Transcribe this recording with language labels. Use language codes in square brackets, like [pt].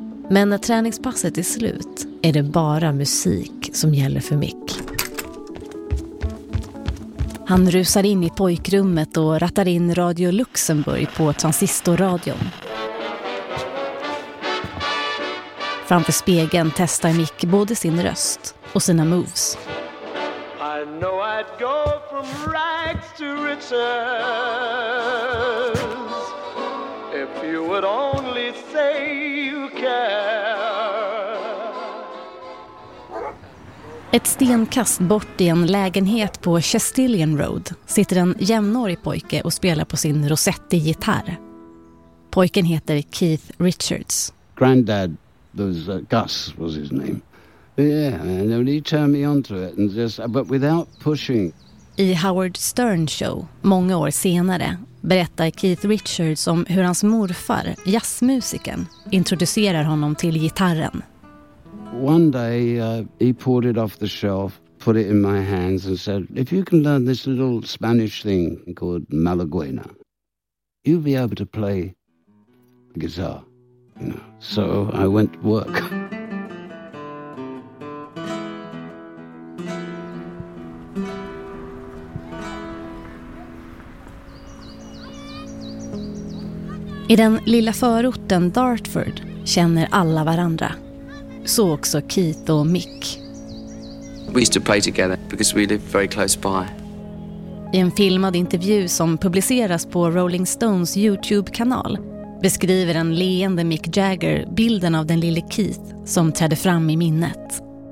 [sv] Men när träningspasset är slut är det bara musik som gäller för Mick. Han rusar in i pojkrummet och rattar in Radio Luxemburg på transistorradion. Framför spegeln testar Mick både sin röst och sina moves. [en] I know I'd go from rags to riches if you would only say you care. [sv] Ett stenkast bort i en lägenhet på Chastillion Road sitter en jämnårig pojke och spelar på sin Rosetti-gitarr. Pojken heter Keith Richards. [en] Granddad was Gus was his name. Yeah, and he turned me onto it and just, but without pushing. [sv] I Howard Stern's show, många år senare, berättar Keith Richards om hur hans morfar, jazzmusiken, introducerar honom till gitarren. [en] One day he pulled it off the shelf, put it in my hands and said, if you can learn this little Spanish thing called Malaguena, you'll be able to play guitar. You know? So I went to work. [sv] I den lilla förorten Dartford känner alla varandra. Så också Keith och Mick. [en] We used to play together because we lived very close by. [sv] I en filmad intervju som publiceras på Rolling Stones YouTube-kanal beskriver en leende Mick Jagger bilden av den lille Keith som trädde fram i minnet.